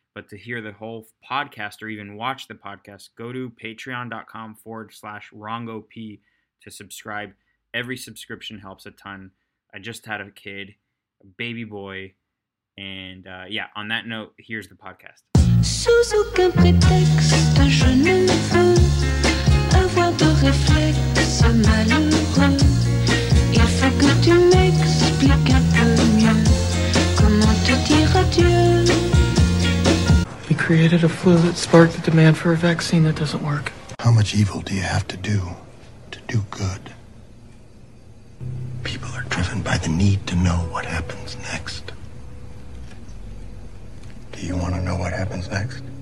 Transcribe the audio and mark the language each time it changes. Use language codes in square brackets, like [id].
[en] But to hear the whole podcast or even watch the podcast, go to patreon.com/wrongop to subscribe. Every subscription helps a ton. I just had a kid, a baby boy. And yeah, on that note, here's the podcast. [fr] Sous aucun prétexte, je ne veux avoir de réflexe malheureux. Il faut que tu m'expliques un peu mieux comment te dire adieu. [en] He created a flu that sparked the demand for a vaccine that doesn't work. How much evil do you have to do good? People are driven by the need to know what happens next. Do you want to know what happens next?